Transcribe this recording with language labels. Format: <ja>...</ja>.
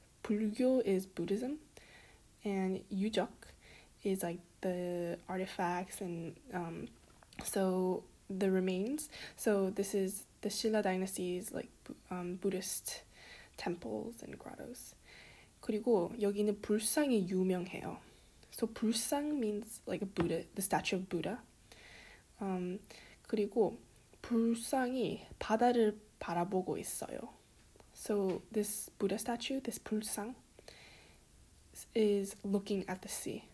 <en>불교 is Buddhism and 유적 is like the artifacts and so the remains. So this is the 신라 dynasty's like Buddhist temples and grottos.</en> <ko>그리고 여기는 불상이 유명해요.</ko> <en>So, 불상 means like a Buddha, the statue of Buddha.</en> <ko>그리고 불상이 바다를 바라보고 있어요.</ko> <en>So, this Buddha statue, this 불상, is looking at the sea.</en>